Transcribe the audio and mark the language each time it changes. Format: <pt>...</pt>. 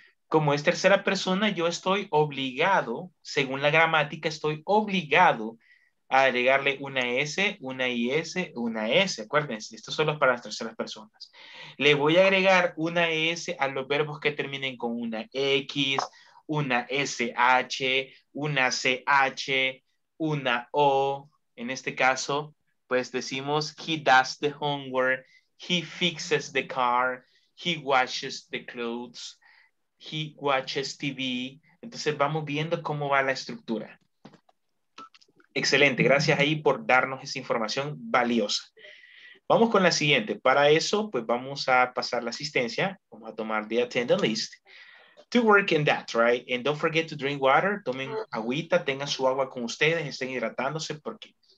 <es>Como es tercera persona, yo estoy obligado, según la gramática, estoy obligado a agregarle una S, una IS, una S. Acuérdense, esto solo es para las terceras personas. Le voy a agregar una S a los verbos que terminen con una X, una SH, una CH, una O. En este caso, pues decimos,</es> <en>he does the homework, he fixes the car, he washes the clothes, he watches TV.</en> <es>Entonces vamos viendo cómo va la estructura. Excelente, gracias ahí por darnos esa información valiosa. Vamos con la siguiente. Para eso, pues vamos a pasar la asistencia. Vamos a tomar the attendance list.</es> <en>To work in that, right? And don't forget to drink water.</en> <es>Tomen agüita, tengan su agua con ustedes, estén hidratándose porque...</es>